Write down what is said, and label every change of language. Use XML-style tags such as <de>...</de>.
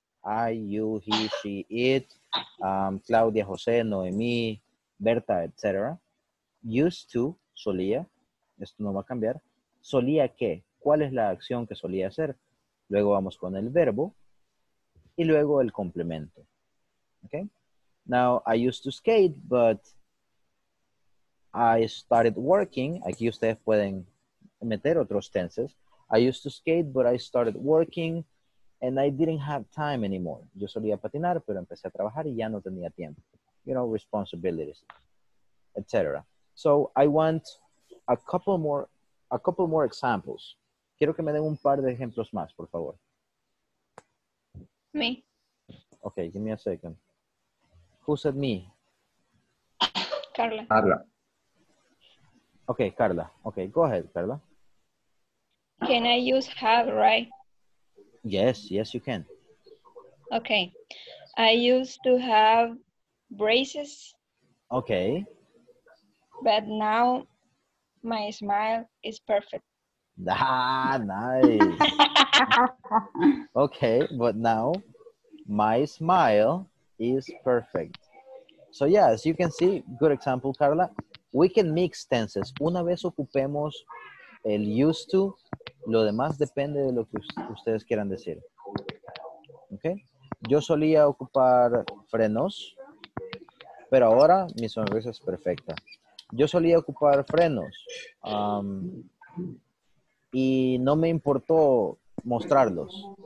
<en>I, you, he, she, it, Claudia, José, Noemí, Berta, etc.</en> <es>Used to, solía, esto no va a cambiar. Solía qué, cuál es la acción que solía hacer. Luego vamos con el verbo y luego el complemento.</es> <en>Okay. Now, I used to skate, but I started working.</en> <es>Aquí ustedes pueden meter otros</es> <en>tenses. I used to skate, but I started working, and I didn't have time anymore.</en> <es>Yo solía patinar, pero empecé a trabajar y ya no tenía tiempo.</es> <en>You know, responsibilities, etc. So, I want a couple more examples.</en> <es>Quiero que me den un par de ejemplos más, por favor.</es> <en>Me. Okay, give me a second. Who said me? Carla. Okay, Carla. Okay, go ahead, Carla. Can I use have, right? Yes, yes, you can. Okay. I used to have braces. Okay. But now my smile is perfect. Ah, nice. Okay, but now my smile is perfect. So yeah, as you can see, good example, Carla. We can mix tenses.</en> <es>Una vez ocupemos el used to, lo demás depende de lo que ustedes quieran decir. Okay? Yo solía ocupar frenos, pero ahora mi sonrisa es perfecta. Yo solía ocupar frenos y no me importó mostrarlos.</es>